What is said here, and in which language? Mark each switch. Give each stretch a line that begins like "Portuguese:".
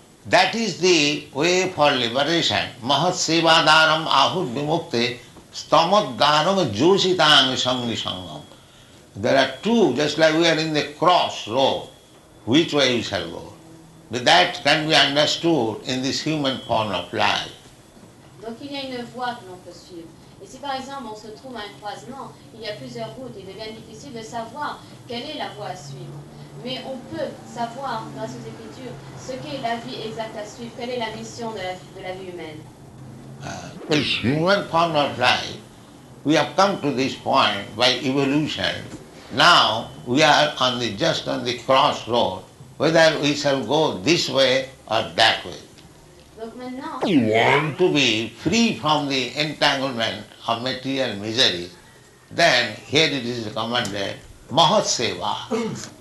English: That is the way for liberation.
Sanskrit: Mahat seva dharam ahur vimukte stamat dharam joshitam sangri sangam.
English: There are two, just like we are in the cross row, which way you shall go. But that can be understood in this human form of life.
French: Donc il y a une voie que l'on peut suivre. Et si par exemple on se trouve à un croisement, il y a plusieurs routes, il devient difficile de savoir quelle est la voie à suivre. Mais on peut savoir, grâce aux Écritures, ce qu'est la vie exacte à suivre, quelle est la mission de la vie humaine.
English: This human form of life, we have come to this point by evolution. Now we are on the just on the crossroad, whether we shall go this way or that way. You want to be free from the entanglement of material misery, then here it is recommended, Mahat Seva.